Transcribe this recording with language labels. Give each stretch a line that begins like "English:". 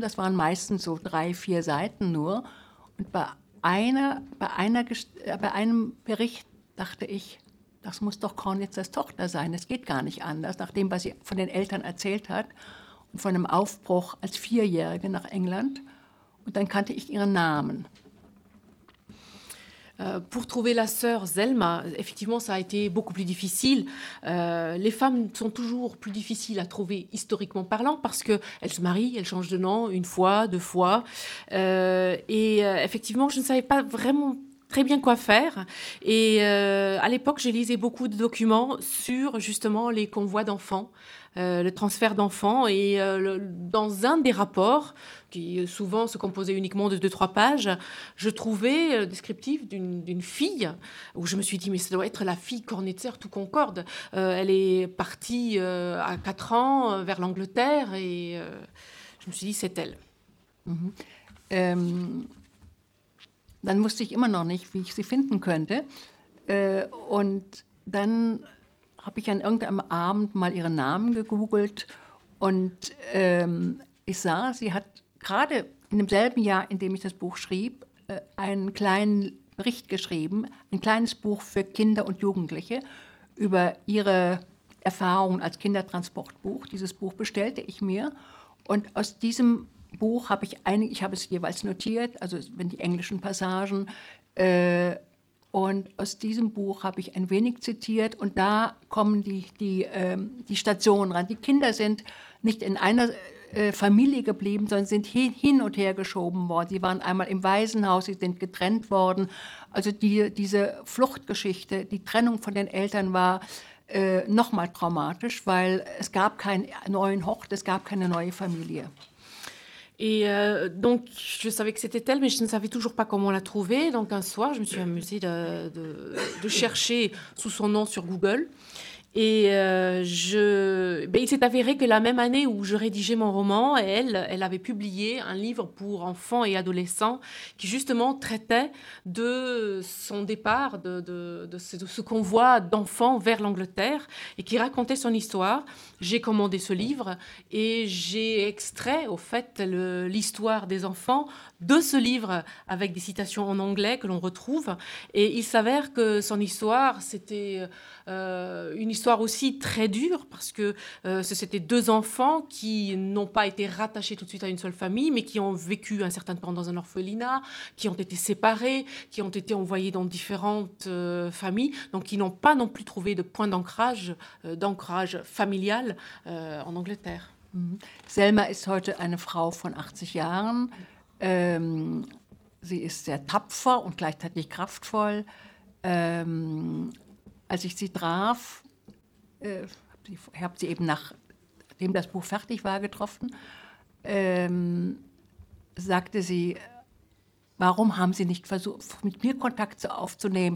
German: Das waren meistens so 3-4 Seiten nur. Und bei einem Bericht dachte ich, das muss doch Kornitzers Tochter sein, es geht gar nicht anders. Nach dem, was sie von den Eltern erzählt hat und von einem Aufbruch als 4-Jährige nach England. Und dann kannte ich ihren Namen.
French: Pour trouver la sœur Selma, effectivement, ça a été beaucoup plus difficile. Les femmes sont toujours plus difficiles à trouver, historiquement parlant, parce qu'elles se marient, elles changent de nom une fois, deux fois. Effectivement, je ne savais pas vraiment très bien quoi faire. Et à l'époque, j'ai lisé beaucoup de documents sur, justement, les convois d'enfants. Le transfert d'enfants, et dans un des rapports, qui souvent se composait uniquement de 2-3 pages, je trouvais le descriptif d'une fille, où je me suis dit, mais ça doit être la fille Kornitzer, tout concorde. Elle est partie à 4 ans vers l'Angleterre, et je me suis dit, c'est elle. Mm-hmm.
German: Dann wusste ich immer noch nicht, wie ich sie finden könnte. Und dann habe ich an irgendeinem Abend mal ihren Namen gegoogelt und ich sah, sie hat gerade in demselben Jahr, in dem ich das Buch schrieb, einen kleinen Bericht geschrieben, ein kleines Buch für Kinder und Jugendliche über ihre Erfahrungen als Kindertransportbuch. Dieses Buch bestellte ich mir und aus diesem Buch habe ich einige, ich habe es jeweils notiert, also wenn die englischen Passagen, und aus diesem Buch habe ich ein wenig zitiert und da kommen die Stationen ran. Die Kinder sind nicht in einer Familie geblieben, sondern sind hin und her geschoben worden. Sie waren einmal im Waisenhaus, sie sind getrennt worden. Also diese Fluchtgeschichte, die Trennung von den Eltern war noch mal traumatisch, weil es gab keinen neuen Hort, es gab keine neue Familie.
French: Et donc, je savais que c'était elle, mais je ne savais toujours pas comment la trouver. Donc, un soir, je me suis amusée de chercher sous son nom sur Google. Et il s'est avéré que la même année où je rédigeais mon roman, elle avait publié un livre pour enfants et adolescents qui, justement, traitait de son départ, de ce convoi d'enfants vers l'Angleterre et qui racontait son histoire. J'ai commandé ce livre et j'ai extrait, au fait, l'histoire des enfants de ce livre avec des citations en anglais que l'on retrouve. Et il s'avère que son histoire, c'était une histoire aussi très dure parce que c'était 2 enfants qui n'ont pas été rattachés tout de suite à une seule famille, mais qui ont vécu un certain temps dans un orphelinat, qui ont été séparés, qui ont été envoyés dans différentes familles, donc qui n'ont pas non plus trouvé de point d'ancrage familial. En Angleterre.
German: Selma ist heute eine Frau von 80 Jahren. Sie ist sehr tapfer und gleichzeitig kraftvoll. Als ich sie traf, habe sie eben nachdem das Buch fertig war getroffen, sagte sie, warum haben Sie nicht versucht, mit mir Kontakt aufzunehmen?